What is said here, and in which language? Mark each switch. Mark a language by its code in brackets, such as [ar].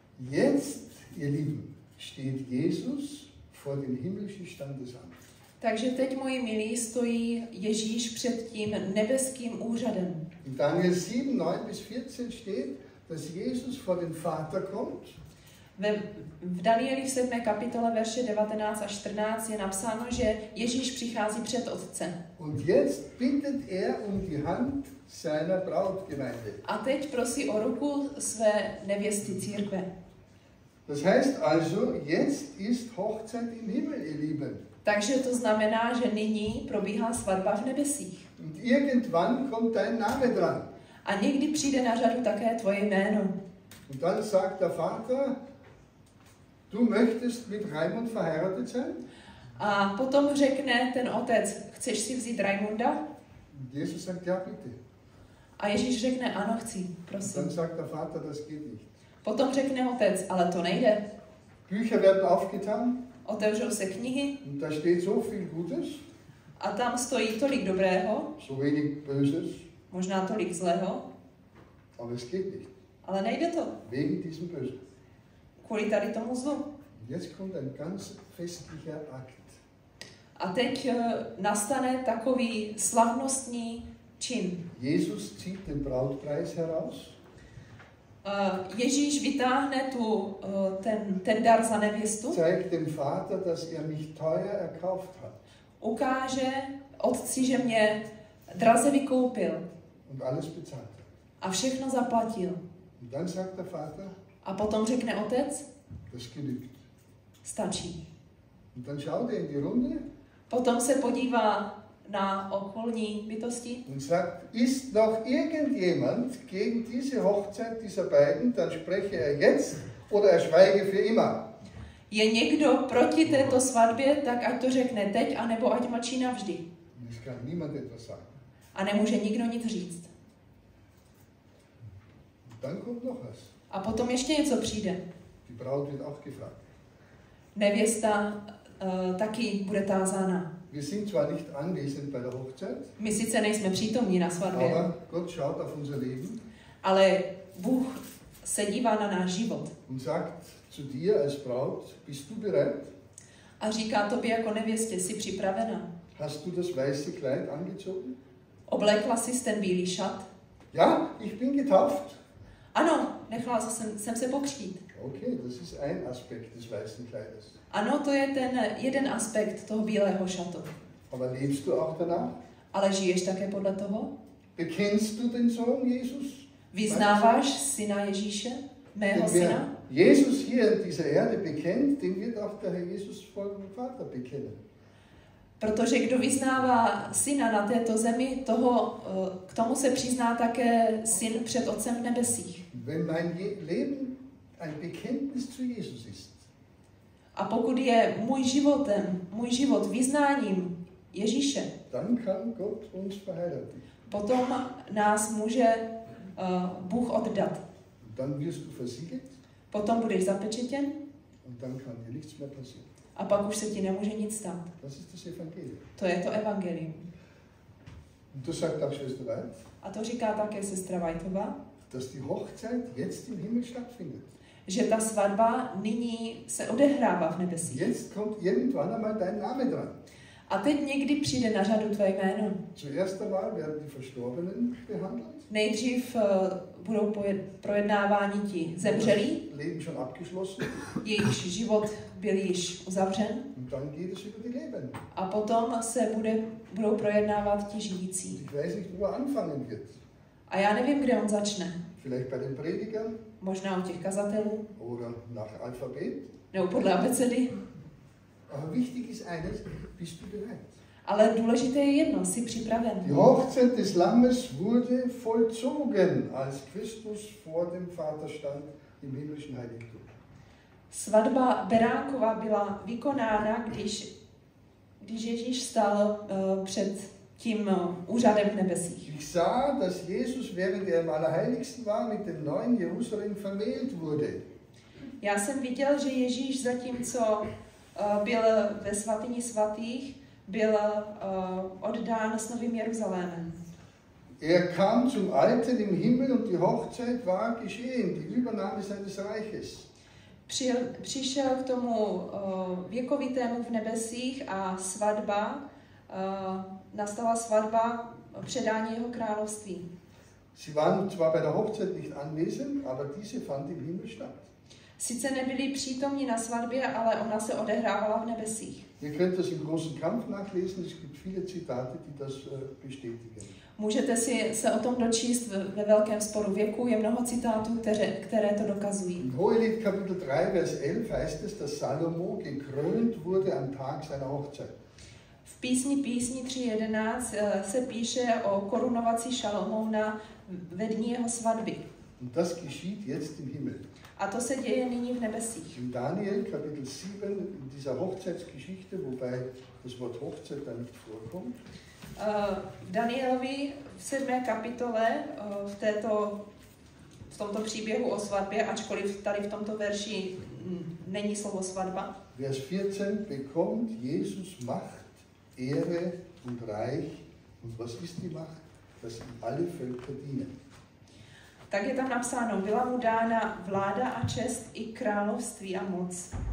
[de] Jetzt, ihr Lieben, steht Jesus vor dem himmlischen Standesamt. [cs] Takže teď, moji milí, stojí Ježíš před tím nebeským úřadem. [de] In Daniel 7, 9 bis 14 steht, dass Jesus vor den Vater kommt. [cs] V Danieli v 7. kapitole verše 19 a 14 je napsáno, že Ježíš přichází před Otce. [de] Und jetzt bittet er um die Hand seiner Brautgemeinde. [cs] A teď prosí o ruku své nevěsty církve. [de] Das heißt also, jetzt ist Hochzeit im Himmel, ihr Lieben. [cs] Takže to znamená, že nyní probíhá svatba v nebesích. [de] Und irgendwann kommt dein Name dran. [cs] A někdy přijde na řadu také tvoje jméno. [de] Und dann sagt der Vater, du möchtest mit Raimund verheiratet sein? [cs] A potom řekne ten otec, chceš si vzít Raimunda? [de] Jesus sagt, ja, bitte. [cs] A Ježíš řekne, ano, chci, prosím. [de] Und dann sagt der Vater, das geht nicht. [cs] Potom řekne otec, ale to nejde. [de] Bücher werden aufgetan. [cs] Otevřou se knihy. [de] Und da steht so viel Gutes. [cs] A tam stojí tolik dobrého. [de] So wenig Böses. [cs] Možná tolik zlého. [de] Aber es geht nicht. [cs] Ale nejde to. [de] Wegen diesem Bösen. [cs] Kvůli tady tomu zlu. [de] Jetzt kommt ein ganz festlicher Akt. [cs] A teď nastane takový slavnostní čin. [de] Jesus zieht den Brautpreis heraus. [cs] Ježíš vytáhne tu ten dar za nevěstu. [de] Zeigt dem Vater, dass mich teuer erkauft hat. [cs] Ukáže otci, že mě draze vykoupil. [de] Und alles bezahlt. [cs] A všechno zaplatil. [de] Und dann sagt der Vater, [cs] a potom řekne otec. [de] Das genügt. [cs] Stačí. [de] Und dann schaut in die Runde. [cs] Potom se podívá na okolní bytosti. [de] Und sagt, ist noch irgendjemand gegen diese Hochzeit dieser beiden, dann spreche jetzt oder schweige für immer. [cs] Je někdo proti této svatbě, tak ať to řekne teď, anebo ať mlčí navždy. [de] Dneska niemand etwas sagt. [cs] A nemůže nikdo nic říct. [de] Und dann kommt noch was. [cs] A potom ještě něco přijde. [de] Die Braut wird auch gefragt. [cs] Nevěsta taky bude tázána. [de] Wir sind zwar nicht anwesend bei der Hochzeit. [cs] My sice nejsme přítomní na svatbě. [de] Aber Gott schaut auf unser Leben. [cs] Ale Bůh se dívá na náš život. [de] Und sagt zu dir als Braut, bist du bereit? [cs] A říká tobě jako nevěstě, jsi připravena? [de] Hast du das weiße Kleid angezogen? [cs] Oblékla jsi ten bílý šat? [de] Ja, ich bin getauft. [cs] Ano, nechala jsem se pokřtít. [de] Okay, das ist ein Aspekt des weißen Kleides. [cs] Ano, to je ten jeden aspekt toho bílého šatu. [de] Aber lebst du auch danach? [cs] Ale žiješ také podle toho? [de] Bekennst du den Sohn Jesus? [cs] Vyznáváš syna Ježíše, mého syna? [de] Jesus hier in dieser Erde bekennt, den wird auch der Herr Jesus vor dem Vater bekennen. [cs] Protože kdo vyznává syna na této zemi, toho k tomu se přizná také syn před Otcem v nebesích. [de] Wenn mein Leben ein Bekenntnis zu Jesus ist. [cs] A pokud je můj život vyznáním Ježíše, [de] dann kann Gott uns verheiraten. [cs] Potom nás může Bůh oddat. [de] Dann wirst du versiegelt. [cs] Potom budeš zapečetěn. [de] Und dann kann dir nichts mehr passieren. [cs] A pak už se ti nemůže nic stát. [de] Das ist das Evangelium. [cs] To je to evangelium. [de] Und das sagt auch Schwester Weit. [cs] A to říká také sestra Weitová. [de] Dass die Hochzeit jetzt im Himmel stattfindet. [cs] Že ta svatba nyní se odehrává v nebesích. [de] Jetzt kommt irgendwann einmal dein Name dran. [cs] A teď někdy přijde na řadu tvoje jméno. [de] Zuerst einmal werden die Verstorbenen behandelt. [cs] Nejdřív budou projednávání ti zemřelí. [de] Leben schon abgeschlossen. [cs] Jejich život byl již uzavřen. [de] Und dann geht es über die Leben. [cs] A potom se budou projednávat ti žijící. [de] Ich weiß nicht, wo er anfangen wird. [cs] A já nevím, kde on začne. [de] Vielleicht bei den Predigern. [cs] Možná u těch kazatelů. [de] Oder nach Alphabet. [cs] Nebo podle abecedy. [de] Aber wichtig ist eines, bist du bereit? [cs] Ale důležité je jedno, jsi připraven. [de] Die Hochzeit des Lammes wurde vollzogen, als Christus vor dem Vater stand im himmlischen Heiligtum. [cs] Svatba Beránkova byla vykonána, když Ježíš stál před tím úřadem v nebesích. [de] Ich sah, dass Jesus während er im Allerheiligsten war mit dem neuen Jerusalem vermählt wurde. [cs] Já jsem viděl, že Ježíš zatímco byl ve svatyni svatých, byl oddán s novým Jeruzalémem. [de] Er kam zum Alten im Himmel und die Hochzeit war geschehen, die Übernahme seines Reiches. [cs] Přišel k tomu věkovitému v nebesích a svatba, nastala svatba předání jeho království. [de] Sie waren zwar bei der Hochzeit nicht anwesend, aber diese fand im Himmel statt. [cs] Sice nebyli přítomní na svatbě, ale ona se odehrávala v nebesích. [de] Ihr könnt das im großen Kampf nachlesen, es gibt viele Zitate, die das bestätigen. [cs] Můžete si se o tom dočíst ve velkém sporu věku, je mnoho citátů, které to dokazují. [de] In Hohelied Kapitel 3, Vers 11 heißt es, dass Salomo gekrönt wurde am Tag seiner Hochzeit. [cs] V písni 3.11 se píše o korunovací Šalomouna ve dní jeho svatby. [de] Und das geschieht jetzt im Himmel. [cs] A to se děje nyní v nebesích. [de] In Daniel Kapitel 7, in dieser Hochzeitsgeschichte, wobei das Wort Hochzeit da nicht vorkommt. [cs] V Danielovi v 7. kapitole, v tomto příběhu o svatbě, ačkoliv tady v tomto verši není slovo svatba. [de] Vers 14 bekommt Jesus Macht, Ehre und Reich. Und was ist die Macht? Dass ihn alle Völker dienen. [cs] Tak je tam napsáno, byla mu dána vláda a čest i království a moc.